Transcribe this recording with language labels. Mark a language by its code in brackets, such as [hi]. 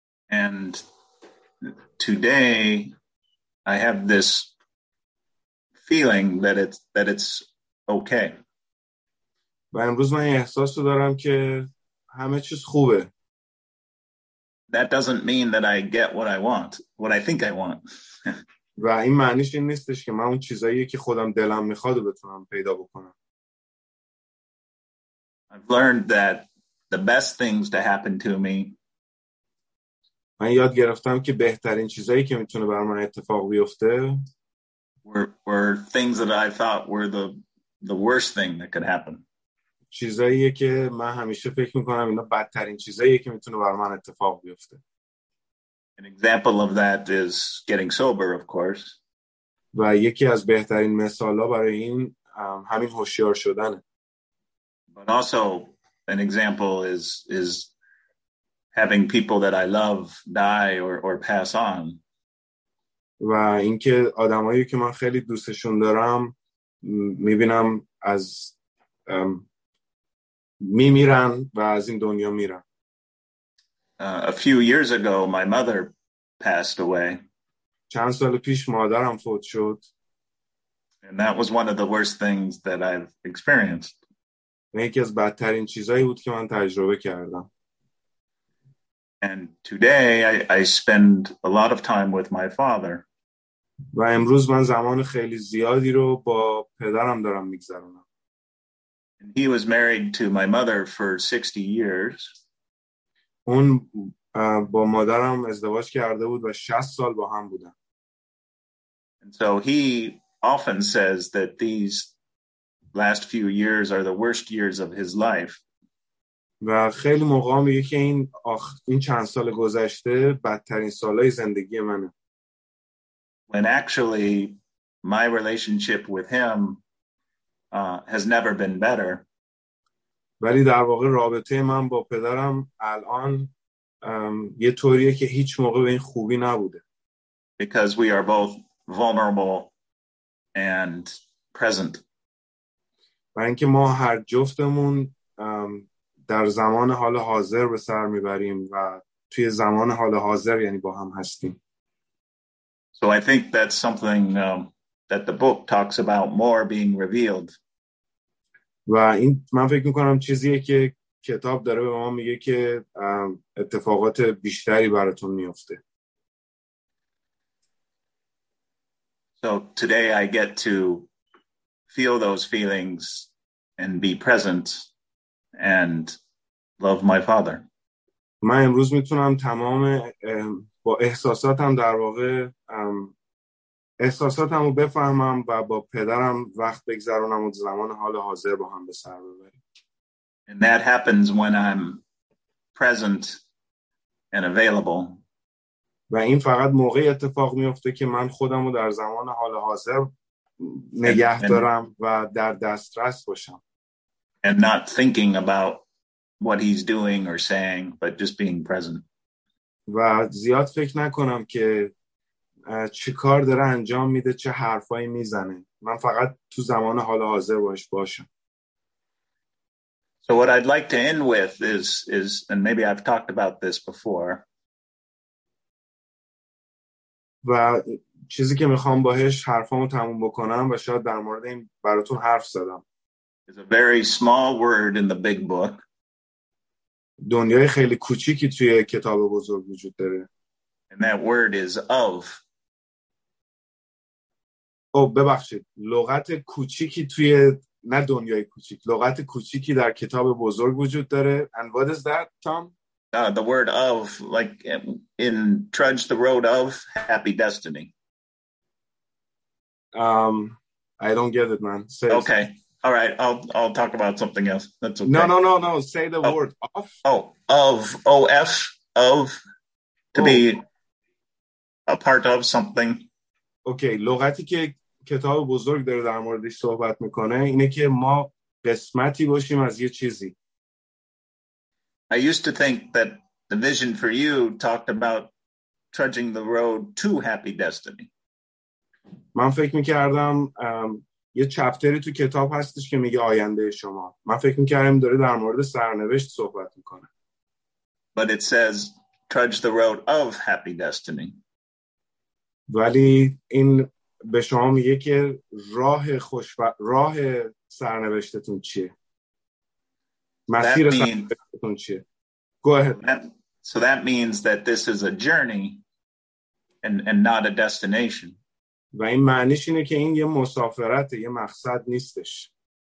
[en] And today I have this feeling that it's okay. [fa] و امروز من احساس دارم که همه چیز خوبه. [en] That doesn't mean that I get what I want, what I think I want. [fa] و این معنیش این نیستش که من اون چیزایی که خودم دلم میخواد رو بتونم پیدا بکنم. [en] I've learned that the best things to happen to me. [fa] من یاد گرفتم که بهترین چیزایی که میتونه برام اتفاق بیفته [en] were things that I thought were the worst thing that could happen. [fa] چیزایی که من همیشه فکر میکنم اینا بدترین چیزایی که میتونه برام اتفاق بیفته. [en] An example of that is getting sober, of course. [fa] و یکی از بهترین مثال‌ها برای این همین هوشیار شدنه. [en] But also an example is having people that I love die or pass on. [fa] و اینکه آدمایی که من خیلی دوستشون دارم می‌بینم از می‌میرن و از این دنیا میرن. [en] A few years ago my mother passed away. [fa] چند سال پیش مادرم فوت شد. [en] And that was one of the worst things that I've experienced. [fa] یکی از بدترین چیزایی بود که من تجربه کردم. [en] And today I spend a lot of time with my father. [fa] و امروز من زمان خیلی زیادی رو با پدرم دارم میگذرونم. [en] And he was married to my mother for 60 years. [fa] اون با مادرم ازدواج کرده بود و 60 سال با هم بودن. [en] And so he often says that these last few years are the worst years of his life. [fa] و خیلی موقعا میگه که این چند سال گذشته بدترین سالای زندگی منه. [en] When actually my relationship with him has never been better. [fa] ولی در واقع رابطه من با پدرم الان یه طوریه که هیچ موقع به این خوبی نبوده. [en] Because we are both vulnerable and present. [fa] و اینکه ما هر جفتمون در زمان حال حاضر به سر میبریم و توی زمان حال حاضر یعنی با هم هستیم. [en] So I think that's something that the book talks about more being revealed. [fa] و این من فکر میکنم چیزیه که کتاب داره به ما میگه که اتفاقات بیشتری براتون میفته. [en] So today I get to feel those feelings and be present and love my father. [fa] من امروز میتونم تمام با احساساتم در واقع احساساتم رو بفهمم و با پدرم وقت بگذرونم و زمان حال حاضر با هم به سر ببریم. [en] And that happens when I'm present and available. [fa] و این فقط موقعی اتفاق میفته که من خودم رو در زمان حال حاضر نگه دارم و در دسترس باشم. [en] And not thinking about what he's doing or saying, but just being present. [fa] و زیاد فکر نکنم که چه کار داره انجام میده، چه حرفایی میزنه. من فقط تو زمان حال حاضر باش باشم. [en] So what I'd like to end with is and maybe I've talked about this before. [fa] و چیزی که میخوام باهش حرفامو تموم بکنم و شاید در مورد این براتون حرف زدم. [en] It's a very small word in the big book. [fa] دنیای خیلی کوچیکی توی کتاب بزرگ وجود داره. [en] And that word is of. [fa] ببخشید. لغت کوچیکی توی نه دنیای کوچیک. لغت کوچیکی در کتاب بزرگ وجود داره. [en] And what is that, Tom? The word of, like in Trudge the Road of Happy Destiny. I don't get it, man. Say it. Okay. All right, I'll talk about something else. That's okay. No. Say the word of. Oh, of. O-F. Of. To oh. Be a part of something. [fa] Okay, لغتی که کتاب بزرگ داره در موردش صحبت میکنه اینه که ما قسمتی باشیم از یه چیزی. [en] I used to think that the vision for you talked about trudging the road to happy destiny. [fa] من فکر میکردم یه چپتری تو کتاب هستش که میگه آینده شما. من فکر میکردم داره در مورد سرنوشت صحبت میکنه. [en] But it says trudge the road of happy destiny. [fa] ولی این به شما میگه که راه راه سرنوشتتون چیه؟ مسیر سرنوشتتون چیه؟ [en] Go ahead. So that means that this is a journey and not a destination. [fa] و این معنیش اینه که این یه مسافرته، یه مقصد نیستش.